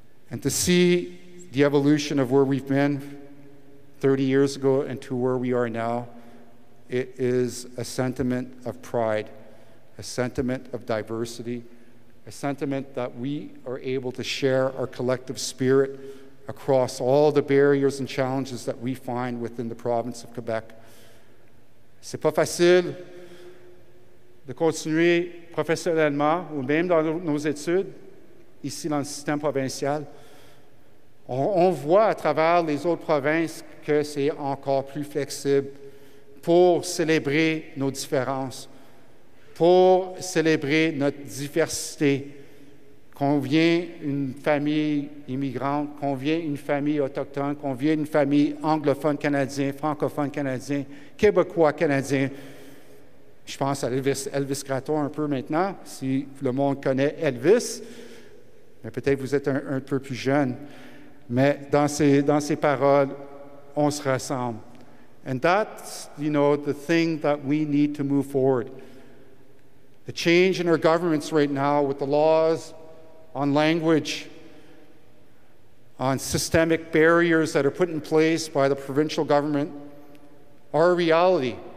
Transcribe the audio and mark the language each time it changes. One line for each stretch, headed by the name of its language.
English: And to see the evolution of where we've been 30 years ago and to where we are now, it is a sentiment of pride, a sentiment of diversity, a sentiment that we are able to share our collective spirit across all the barriers and challenges that we find within the province of Quebec.
French: C'est pas facile de continuer professionnellement ou même dans nos études ici dans le système provincial. On voit à travers les autres provinces que c'est encore plus flexible pour célébrer nos différences, pour célébrer notre diversité. Qu'on vient d'une famille immigrante, qu'on vient d'une famille autochtone, qu'on vient d'une famille anglophone canadienne, francophone canadienne, québécois canadien. Je pense à Elvis Graton un peu maintenant, si le monde connaît Elvis. Mais peut-être vous êtes un peu plus jeune. Mais dans ces paroles, on se rassemble.
English: And that's, you know, the thing that we need to move forward. The change in our governments right now with the laws on language, on systemic barriers that are put in place by the provincial government, are a reality.